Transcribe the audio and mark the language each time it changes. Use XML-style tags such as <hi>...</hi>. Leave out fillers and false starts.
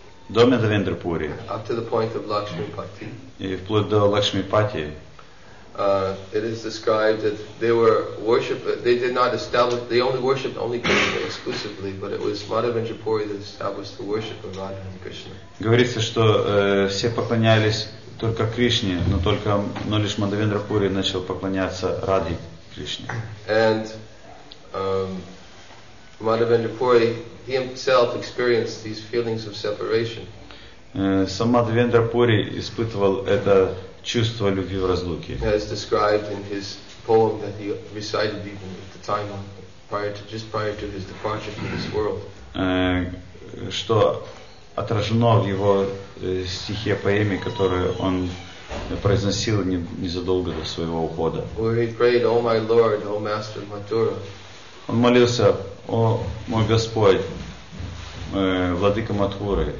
<ru>до Мадхавендры Пури,</ru> <en>up to the point of Лакшмипати,</en> <ru>и вплоть до Лакшмипати,</ru> <en>It is described that they were worship. They did not establish. They only worshipped only Krishna exclusively. But it was Mother Vendipuri that established the worship of Radha and Krishna.</en> <ru>Говорится, что все поклонялись только Кришне, но только, но лишь Мадхава Вендрапури начал поклоняться Раде Кришне.</ru> <en>And Mother Vendipuri himself experienced these feelings of separation.</en> <ru>Сам Мадхава Вендрапури испытывал это. Чувство любви в разлуке.</ru> <en>As described in his poem that he recited even at the time prior to his departure from this world.</en> <ru>Что отражено в его стихе, поэме, которую он произносил незадолго до своего ухода.</ru> <en>Where he prayed, "O my Lord, O Master Mathura."</en> <ru>Он молился, о мой Господь, Владыка Матхуры.</ru>